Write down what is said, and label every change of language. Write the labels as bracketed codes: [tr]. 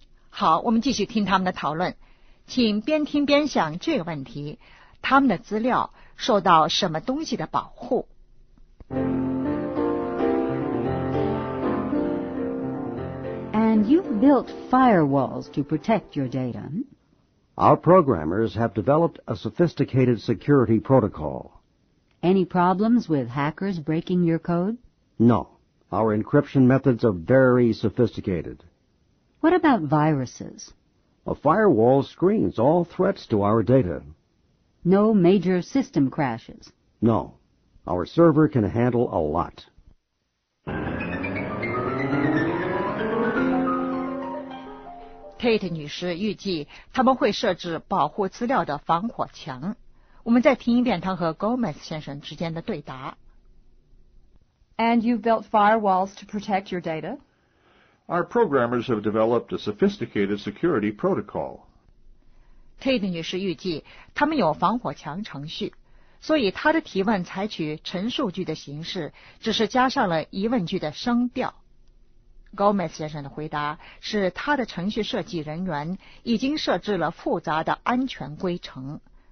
[zh] 好，我们继续听他们的讨论，请边听边想这个问题，他们的资料受到什么东西的保护。 [en] And you've built firewalls to protect your data. Our programmers have developed a sophisticated security protocol. Any problems with hackers breaking your code? No. Our encryption methods are very sophisticated. What about viruses? A firewall screens all threats to our data. No major system crashes? No. Our server can handle a lot. [zh] Kate 女士预计他们会设置保护资料的防火墙。我们再听一遍她和 Gomez 先生之间的对答。 [en] And you've built firewalls to protect your data? Our programmers have developed a sophisticated security protocol. [zh] Kate 女士预计他们有防火墙程序，所以她的提问采取陈述句的形式，只是加上了疑问句的声调。 Gomez 先生的回答是他的程序设计人员已经设置了复杂的安全规程。